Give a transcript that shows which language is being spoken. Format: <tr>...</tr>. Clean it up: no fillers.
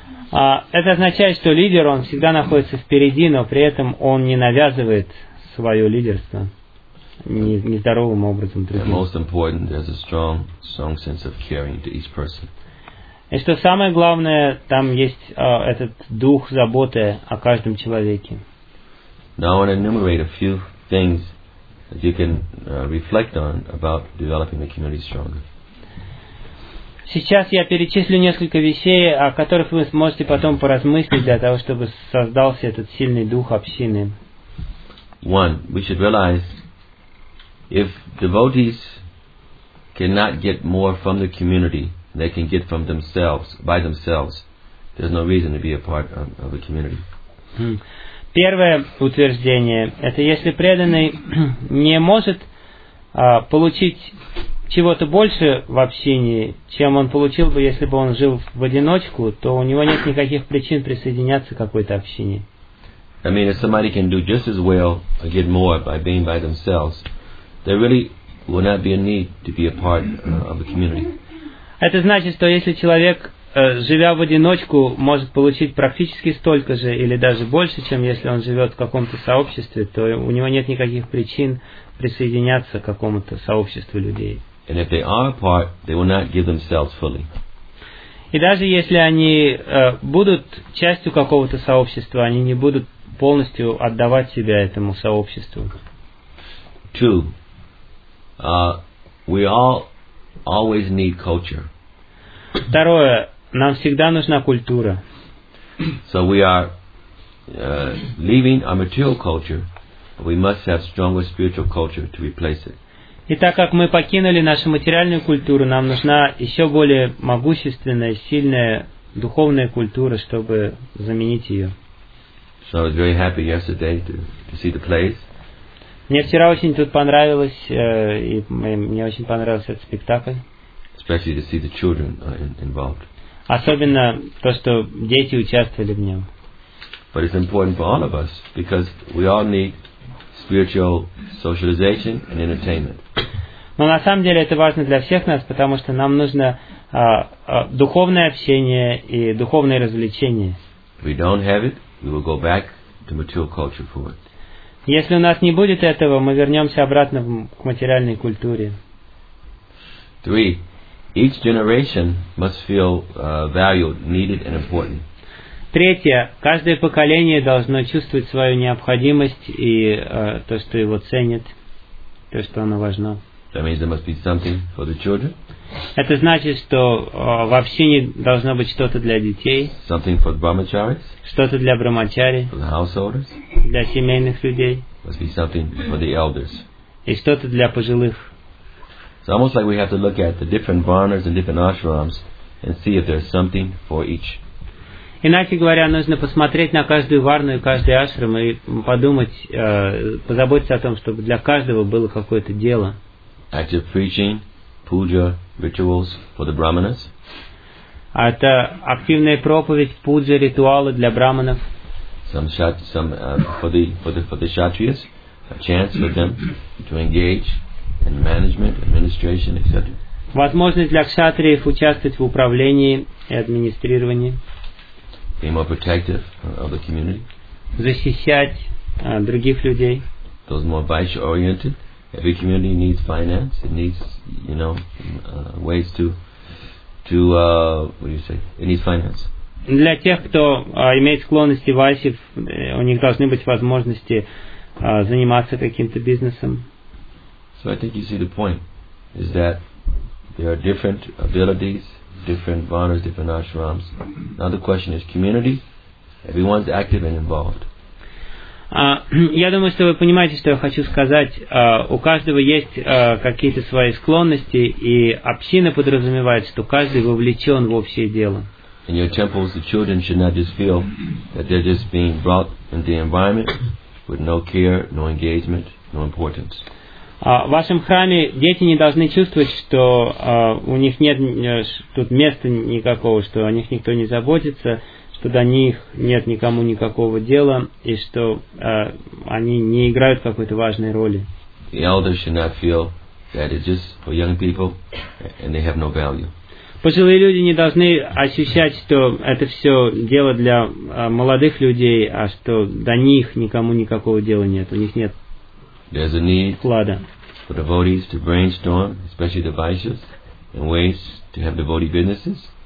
<ru>Это означает, что лидер он всегда находится впереди, но при этом он не навязывает свое лидерство нездоровым образом другим.</ru> <en>And most important, there's a strong sense of caring to each person.</en> <ru>И что самое главное, там есть этот дух заботы о каждом человеке.</ru> <en>Now I want to enumerate a few things that you can reflect on about developing the community stronger.</en> <ru>Сейчас я перечислю несколько вещей, о которых вы сможете потом поразмыслить для того, чтобы создался этот сильный дух общины.</ru> <en>One, we should realize if devotees cannot get more from the community than they can get from themselves, by themselves, there's no reason to be a part of a community.</en> <ru>Первое утверждение, это если преданный не может получить чего-то больше в общении, чем он получил бы, если бы он жил в одиночку, то у него нет никаких причин присоединяться к какой-то общине.</ru> <en>I mean, if somebody can do just as well or get more by being by themselves, there really will not be a need to be a part of a community.</en> <ru>Это значит, что если человек, живя в одиночку, может получить практически столько же или даже больше, чем если он живет в каком-то сообществе, то у него нет никаких причин присоединяться к какому-то сообществу людей.</ru> <en>And if they are apart, they will not give themselves fully.</en> <ru>И даже если они будут частью какого-то сообщества, они не будут полностью отдавать себя этому сообществу.</ru> <en>Two. We all always need culture.</en> <ru>Второе, нам всегда нужна культура.</ru> <en>So we are leaving our material culture. We must have stronger spiritual culture to replace it.</en> <ru>И так как мы покинули нашу материальную культуру, нам нужна еще более могущественная, сильная духовная культура, чтобы заменить ее.</ru> <en>So I was very happy yesterday to see the place.</en> <ru>Мне вчера очень тут понравилось, и мне очень понравился этот спектакль.</ru> <en>Especially to see the children involved.</en> <ru>Особенно то, что дети участвовали в нем.</ru> <en>But it's important for all of us, because we all need spiritual socialization and entertainment.</en> <ru>Но на самом деле это важно для всех нас, потому что нам нужно духовное общение и духовное развлечение.</ru> <en>If we don't have it, we will go back to material culture for it.</en> <ru>Если у нас не будет этого, мы вернемся обратно к материальной культуре.</ru> <en>Three. Each generation must feel valued, needed, and important.</en> <ru>Третье. Каждое поколение должно чувствовать свою необходимость и то, что его ценит, то, что оно важно.</ru> <en>That means there must be something for the children.</en> <ru>Это значит, что в общине должно быть что-то для детей.</ru> <en>Something for brahmacharis.</en> <ru>Что-то для брахмачари.</ru> <en>For the householders.</en> <ru>Для семейных людей.</ru> <en>Must be something for the elders.</en> <ru>И что-то для пожилых.</ru> <en>So almost like we have to look at the different varnas and different ashrams and see if there's something for each.</en> <ru>Иначе говоря, нужно посмотреть на каждую варну и каждый ашрам и подумать, позаботиться о том, чтобы для каждого было какое-то дело.</ru> <en>Active preaching, puja, rituals for the brahmanas.</en> <ru>Это активная проповедь, пуджа, ритуалы для брахманов.</ru> <en>For the kshatriyas, a chance for them to engage in management, administration, etc.</en> <ru>Возможность для кшатриев участвовать в управлении и администрировании.</ru> <en>Be more protective of the community.</en> <ru>Защищать других людей.</ru> <en>Those more vaishya-oriented. Every community needs finance. It needs, you know, ways it needs finance.</en> <ru>Для тех, кто имеет склонности вайсев, у них должны быть возможности заниматься каким-то бизнесом.</ru> <en>So I think you see the point is that there are different abilities, different varnas, different ashrams. Now the question is community. Everyone's active and involved.</en> <ru>Я думаю, что вы понимаете, что я хочу сказать. У каждого есть какие-то свои склонности, и община подразумевает, что каждый вовлечен в общее дело.</ru> <en>In your temples, the children should not just feel that they're just being brought into the environment with no care, no engagement, no importance.</en> <ru>В вашем храме дети не должны чувствовать, что у них нет тут места никакого, что о них никто не заботится, что до них нет никому никакого дела, и что они не играют какой-то важной роли.</ru> <en>The elders should not feel that it's just for young people and they have no value.</en> <ru>Пожилые люди не должны ощущать, что это все дело для молодых людей, а что до них никому никакого дела нет, у них нет</ru> <en>There's a need</en> <ru>вклада.</ru> <en>For devotees to brainstorm, especially the vaishyas, and ways to have devotee businesses.</en>